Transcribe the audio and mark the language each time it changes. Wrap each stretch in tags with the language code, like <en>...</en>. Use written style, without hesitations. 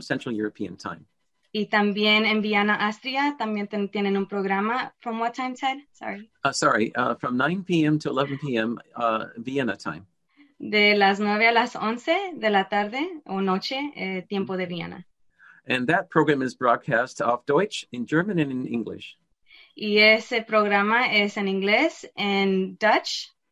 <en>Central European time.</en> <es>Y también en Vienna, Austria, también tienen un programa.</es> <en>From what time, Ted? Sorry. From 9 p.m. to 11 p.m. Vienna time.</en> <es>De las 9 a las 11 de la tarde o noche, tiempo de Vienna.</es> <en>And that program is broadcast off Deutsch, in German, and in English.</en> <es>Y ese programa es en inglés, en Dutch.</es>